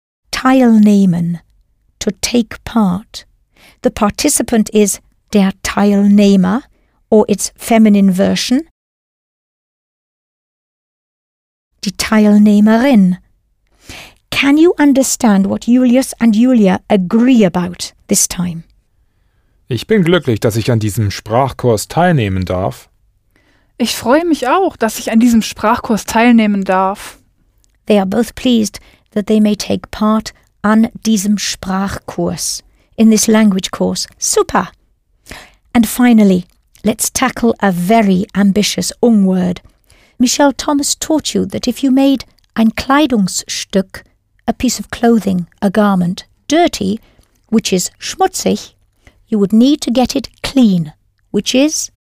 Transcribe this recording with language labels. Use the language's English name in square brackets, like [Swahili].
[English] Teilnehmen, to take part. The participant is der Teilnehmer, or its feminine version, die Teilnehmerin. Can you understand what Julius and Julia agree about this time? [German] Ich bin glücklich, dass ich an diesem Sprachkurs teilnehmen darf. Ich freue mich auch, dass ich an diesem Sprachkurs teilnehmen darf. [English] They are both pleased that they may take part an diesem Sprachkurs, in this language course. Super! And finally, let's tackle a very ambitious word. Michelle Thomas taught you that if you made ein Kleidungsstück, a piece of clothing, a garment, dirty, which is schmutzig, you would need to get it clean, which is